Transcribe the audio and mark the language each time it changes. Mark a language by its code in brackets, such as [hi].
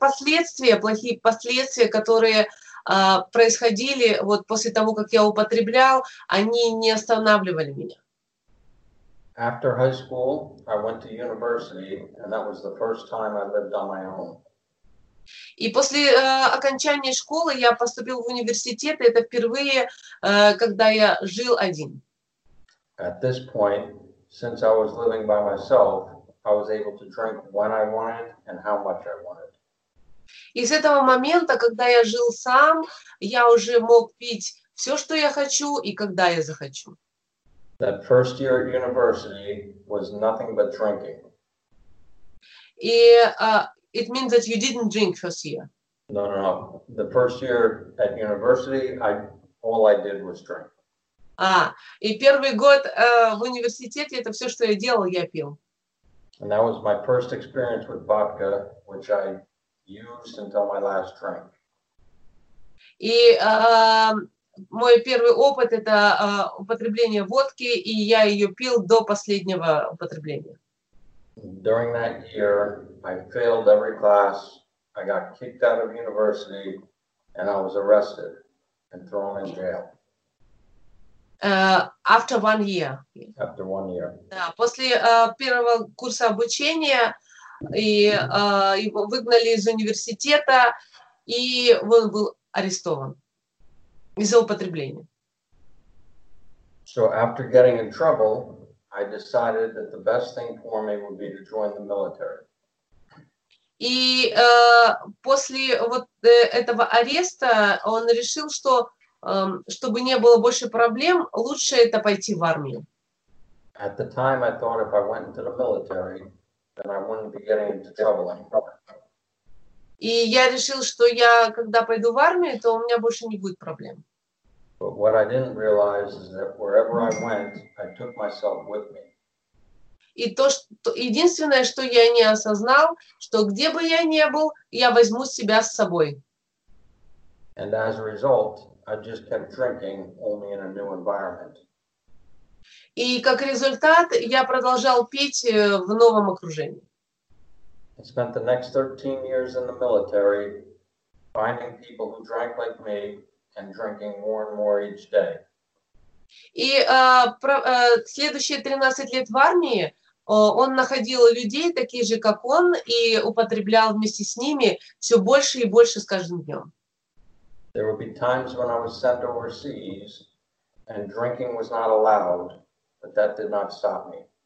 [ru] И плохие последствия, которые происходили вот после того, как я употреблял, они не останавливали меня. [en] After high school, I went to university, and that was the first time I lived on my own. [ru] И после окончания школы я поступил в университет, и это впервые, когда я жил один. [en] At this point, since I was living by myself, I was able to drink when I wanted and how much I wanted. [ru] И с этого момента, когда я жил сам, я уже мог пить все, что я хочу и когда я захочу. [en] That first year at university was nothing but drinking. [ru] И [en] it means that you didn't drink first year. No. The first year at university, all I did was drink. [ru] И первый год в университете, это все, что я делал, я пил. [en] And that was my first experience with vodka, which I used until my last drink. [ru] И мой первый опыт это употребление водки, и я ее пил до последнего употребления. [en] During that year, I failed every class. I got kicked out of university, and I was arrested and thrown in jail. After 1 year. After 1 year. [ru] Да, после первого курса обучения и его выгнали из университета, и он был арестован из-за употребления. [en] So after getting in trouble, I decided that the best thing for me would be to join the military. [ru] И после вот этого ареста он решил, что чтобы не было больше проблем, лучше это пойти в армию. [en] At the time I thought if I went into the military, then I wouldn't be getting into trouble anymore. [ru] И я решил, что я когда пойду в армию, то у меня больше не будет проблем. [en] But what I didn't realize is that wherever I went, I took myself with me. [ru] И то, что единственное, что я не осознал, что где бы я ни был, я возьму себя с собой. [en] And as a result, I just kept drinking only in a new environment. [ru] И как результат, я продолжал пить в новом окружении. [en] I spent the next 13 years in the military finding people who drank like me and drinking more and more each day. [ru] И следующие 13 лет в армии он находил людей, такие же, как он, и употреблял вместе с ними все больше и больше с каждым днем. [en] There would be times when I was sent overseas and drinking was not allowed, but that did not stop me.